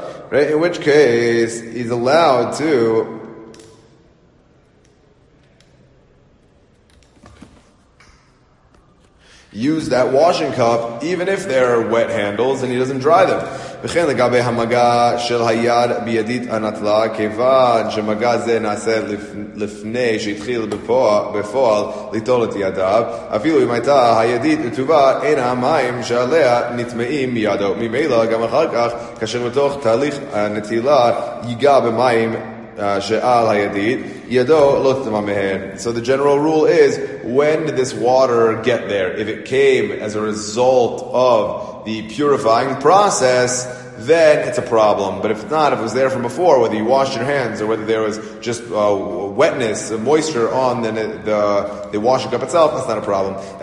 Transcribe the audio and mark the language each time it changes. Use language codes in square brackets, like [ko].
[en] Right? In which case, he's allowed to use that washing cup, even if they're wet handles, and he doesn't dry them. [he] וכן לגבי המגע של היד בידית הנטלה, כיוון שמגע זה נעשה לפני שהתחיל בפועל ליטול את ידיו, אפילו אם הייתה הידית נטובה, אין המים שעליה נטמאים מידו. ממילא גם אחר כך, כאשר מתוך תהליך הנטילה ייגע במים שעל הידית, ידו לא תטמא מהן. [en] So the general rule is, when did this water get there? If it came as a result of the purifying process, then it's a problem. But if not, if it was there from before, whether you washed your hands or whether there was just wetness, moisture on the washing cup itself, that's not a problem.